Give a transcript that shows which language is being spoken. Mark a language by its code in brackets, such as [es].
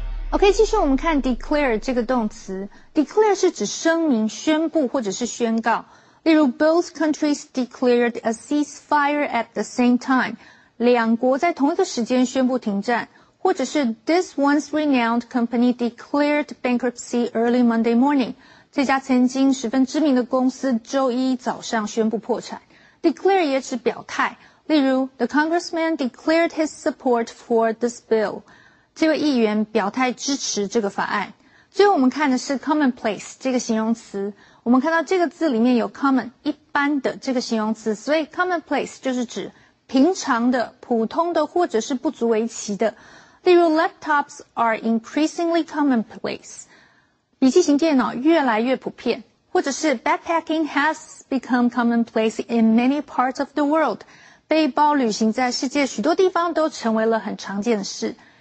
[zh] OK, 其实我们看 declare 这个动词 ,declare 是指声明、宣布或者是宣告。例如 [en] ,both countries declared a ceasefire at the same time, [zh] 两国在同一个时间宣布停战。或者是 , [en] this once renowned company declared bankruptcy early Monday morning, [zh] 这家曾经十分知名的公司周一早上宣布破产。 declare 也指表态。例如 [en] ,the congressman declared his support for this bill. [zh] 这位议员表态支持这个法案。最后我们看的是 commonplace 这个形容词。我们看到这个字里面有 common 一般的这个形容词，所以 commonplace 就是指平常的、普通的或者是不足为奇的。例如 [en] laptops are increasingly commonplace， [zh] 笔记型电脑越来越普遍，或者是 [en] backpacking has become commonplace in many parts of the world， [zh] 背包旅行在世界许多地方都成为了很常见的事。